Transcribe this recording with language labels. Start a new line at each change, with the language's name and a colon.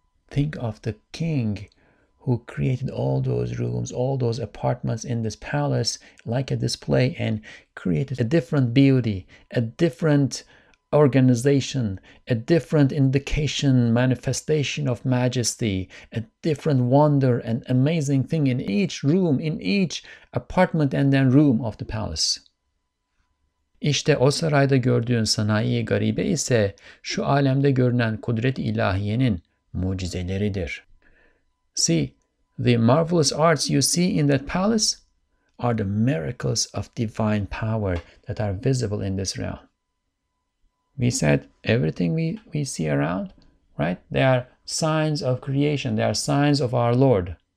English: Think of the king who created all those rooms, all those apartments in this palace, like a display, and created a different beauty, a different organization, a different indication, manifestation of majesty, a different wonder and amazing thing in each room, in each apartment and then room of the palace.
Turkish: İşte o sarayda gördüğün sanayi garibe ise şu alemde görünen kudret-i ilahiyenin mucizeleridir.
English: See, the marvelous arts you see in that palace are the miracles of divine power that are visible in this realm. We said everything we see around, right? They are signs of creation. They are signs of our Lord.